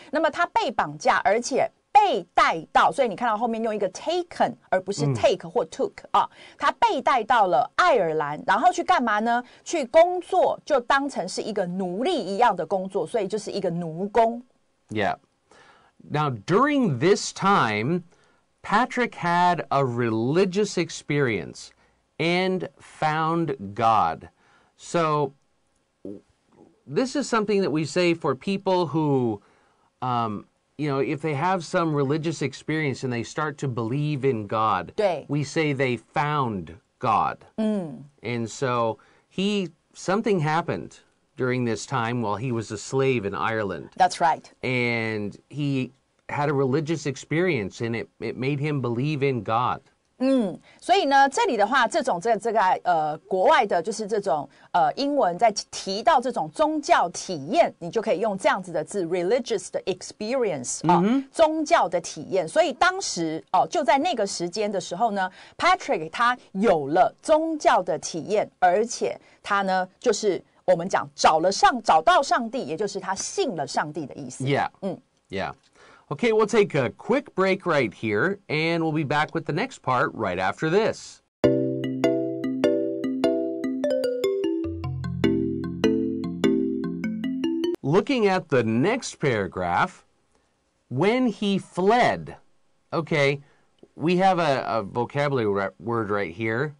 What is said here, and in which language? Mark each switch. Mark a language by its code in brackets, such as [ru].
[zh] 那么他被绑架，而且被带到，所以你看到后面用一个 taken 而不是 take 或 took 啊、哦。他被带到了爱尔兰，然后去干嘛呢？去工作，就当成是一个奴隶一样的工作，所以就是一个奴工。 Yeah. [en] Now, during this time, Patrick had a religious experience and found God. So, this is something that we say for people who, you know, if they have some religious experience and they start to believe in God, we say they found God. And so, something happened. During this time while he was a slave in Ireland. That's right. And he had a religious experience and it made him believe in God. [zh] 嗯，所以呢，这里的话，这种这个国外的就是这种英文在提到这种宗教体验，你就可以用这样子的字 religious 的 experience 啊、宗教的体验。所以当时哦、就在那个时间的时候呢 ，Patrick 他有了宗教的体验，而且他呢就是。我们讲找了上找到上帝，也就是他信了上帝的意思。 Yeah. [en] Okay, we'll take a quick break right here, and we'll be back with the next part right after this. Looking at the next paragraph, when he fled, okay, we have a vocabulary word right here.